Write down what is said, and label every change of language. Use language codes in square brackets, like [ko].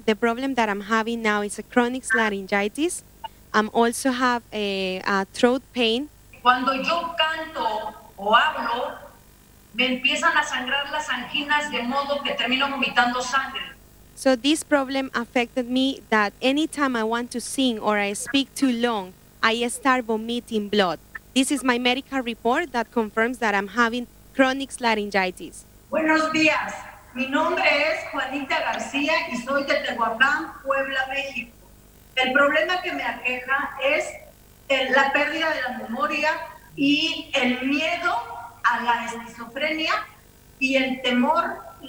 [en] The problem that I'm having now is a chronic laryngitis. I'm also have a throat pain. [es] Cuando yo canto o hablo, me empiezan a sangrar las anginas de modo que termino vomitando sangre. [en] So this problem affected me that anytime I want to sing or I speak too long, I start vomiting blood. This is my medical report that confirms that I'm having chronic laryngitis. [es] Buenos días. Mi nombre es Juanita García y soy de Tehuacán, Puebla, México. El problema que me aqueja es la pérdida de la memoria y el miedo a la esquizofrenia y el temor